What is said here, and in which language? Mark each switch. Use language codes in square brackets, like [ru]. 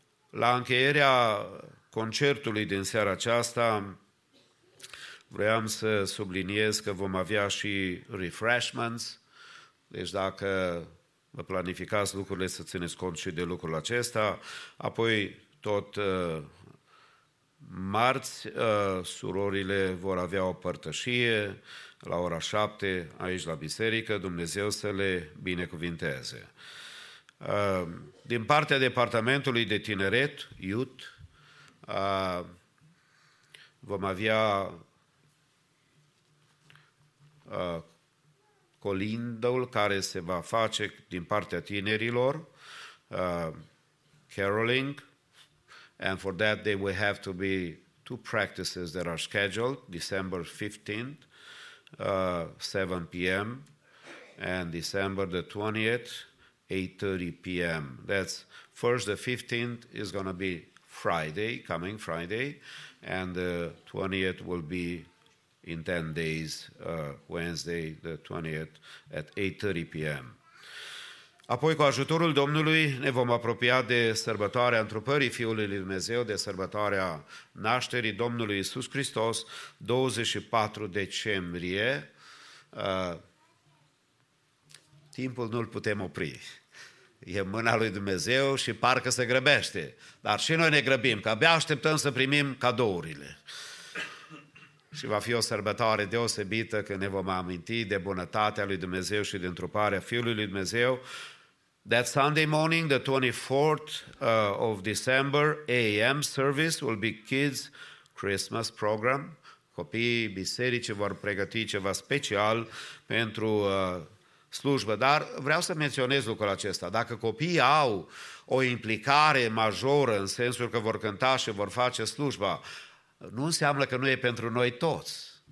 [ro] La încheierea concertului din seara aceasta, vreau să subliniez că vom avea și refreshments, deci dacă vă planificați lucrurile, să țineți cont și de lucrul acesta. Apoi, tot marți, surorile vor avea o părtășie la ora 7 aici la biserică, Dumnezeu să le binecuvinteze. Din partea departamentului de tineret, youth, vom avea colindul care se va face din partea tinerilor, [en] caroling, and for that day we have to be two practices that are scheduled, December 15th, 7 p.m., and December the 20th, 8:30 p.m. That's first, the 15th is going to be Friday, coming Friday, and the 20th will be in 10 days, Wednesday, the 20th, at 8:30 p.m. [ro] Apoi, cu ajutorul Domnului, ne vom apropia de sărbătoarea întrupării Fiului Lui Dumnezeu, de sărbătoarea nașterii Domnului Iisus Hristos, 24 decembrie. Timpul nu-l putem opri. E mâna lui Dumnezeu și parcă se grăbește. Dar și noi ne grăbim, că abia așteptăm să primim cadourile. Și va fi o sărbătoare deosebită când ne vom aminti de bunătatea lui Dumnezeu și de întruparea Fiului lui Dumnezeu. [en] That Sunday morning, the 24th of December, AM service will be kids' Christmas program. [ro] Copiii bisericii vor pregăti ceva special pentru slujbă. Dar vreau să menționez lucrul acesta. Dacă copiii au o implicare majoră în sensul că vor cânta și vor face slujba, nu înseamnă că nu e pentru noi toți.